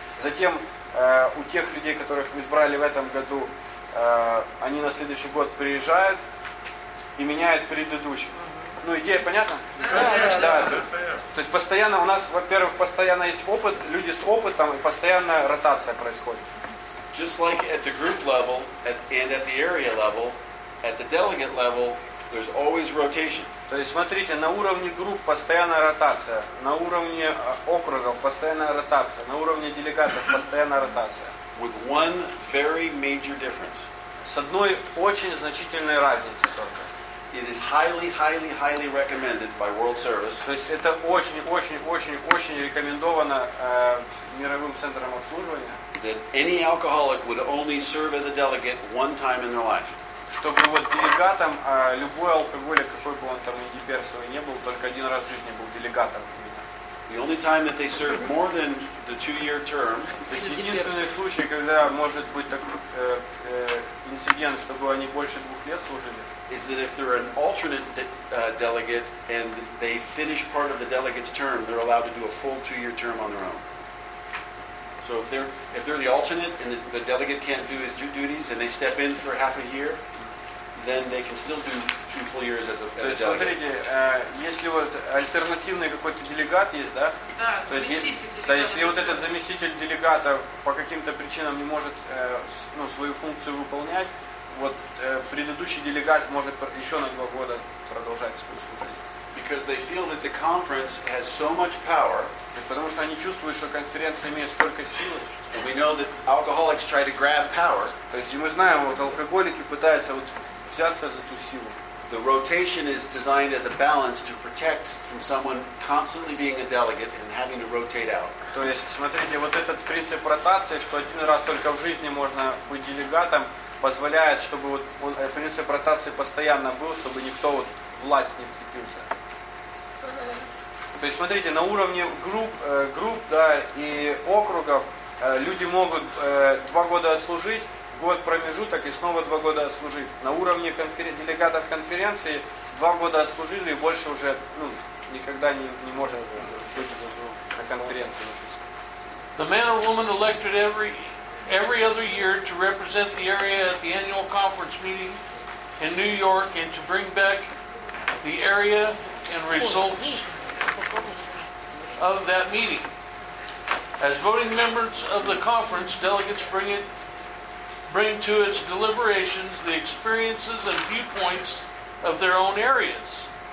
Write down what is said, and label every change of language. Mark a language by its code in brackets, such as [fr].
[ru] Затем у тех людей, которых избрали в этом году, они на следующий год приезжают и меняют предыдущих. Ну, идея понятна? Да. То есть постоянно у нас, во-первых, постоянно есть опыт, люди с опытом, и постоянно ротация происходит. [en] Just like at the group level and at the area level, at the delegate level, there's always rotation. [ru] То есть смотрите, на уровне групп постоянная ротация, на уровне округов постоянная ротация, на уровне делегатов постоянная ротация. [en] With one very major difference. [ru] С одной очень значительной разницей только. [en] It is highly, highly, highly recommended by World Service. [ru] То есть это очень рекомендовано мировым центром обслуживания. [en] That any alcoholic would only serve as a delegate one time in their life. [ru] Чтобы вот делегатом любой алкоголик, какой бы он там ни дебирсовый не был, только один раз в жизни был делегатом. [en] The only time that they serve more than the two-year term. [ru] То есть единственный случай, когда может быть такой инцидент, чтобы они больше двух лет служили. [en] Is that if they're an alternate delegate and they finish part of the delegate's term, they're allowed to do a full two-year term on their own. So if they're the alternate and the delegate can't do his duties and they step in for half a year, then they can still do two full years as a delegate. [ru] То есть смотрите, если вот альтернативный какой-то делегат есть, да? Да. То есть если вот этот заместитель делегата по каким-то причинам не может свою функцию выполнять. Вот предыдущий делегат может еще на два года продолжать свое служение. [en] Because they feel that the conference has so much power. [ru] Потому что они чувствуют, что конференция имеет столько силы. [en] And we know that alcoholics try to grab power. [ru] То есть мы знаем, вот алкоголики пытаются вот взяться за ту силу. [en] The rotation is designed as a balance to protect from someone constantly being a delegate and having to rotate out. [ru] То есть смотрите, вот этот принцип ротации, что один раз только в жизни можно быть делегатом. Позволяет, чтобы вот он, принцип ротации постоянно был, чтобы никто вот власть не вцепился. То есть смотрите, на уровне групп, да, и округов люди могут два года отслужить, год промежуток и снова два года отслужить. На уровне делегатов конференции два года отслужили и больше уже никогда не может быть на конференции. [en] The man or woman elected every other year to represent the area at the annual conference meeting in New York and to bring back the area and results of that meeting. As voting members of the conference, delegates bring to its deliberations the experiences and viewpoints of their own areas.